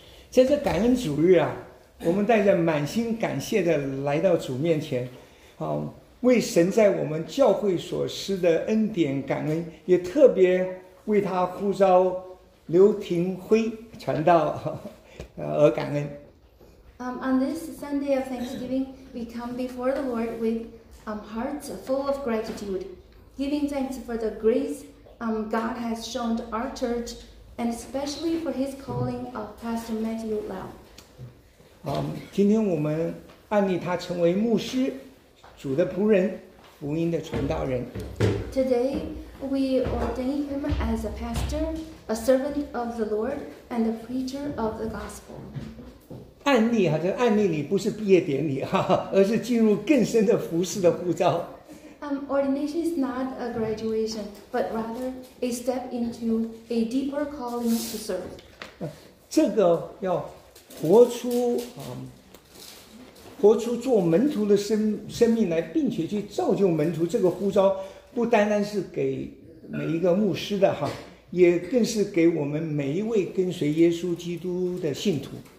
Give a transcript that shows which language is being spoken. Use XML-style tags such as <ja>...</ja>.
<zh>在这感恩主日我们带着满心感谢的来到主面前，为神在我们教会所施的恩典感恩，也特别为他呼召刘廷辉传道而感恩。</zh> <en>On this Sunday of Thanksgiving, we come before the Lord with hearts full of gratitude, giving thanks for the grace God has shown to our church, and especially for His calling of Pastor Matthew Lau.</en> <zh>今天我们按立他成为牧师。主的仆人，福音的传道人。</zh> <en>Today we ordain him as a pastor, a servant of the Lord, and a preacher of the gospel.</en> <zh>案例哈，这个案例里不是毕业典礼哈，而是进入更深的服事的呼召。</zh> <en>Ordination is not a graduation, but rather a step into a deeper calling to serve.</en> <zh>这个要活出活出做门徒的 生命来，并且去造就门徒，这个呼召不单单是给每一个牧师的哈，也更是给我们每一位跟随耶稣基督的信徒。</zh>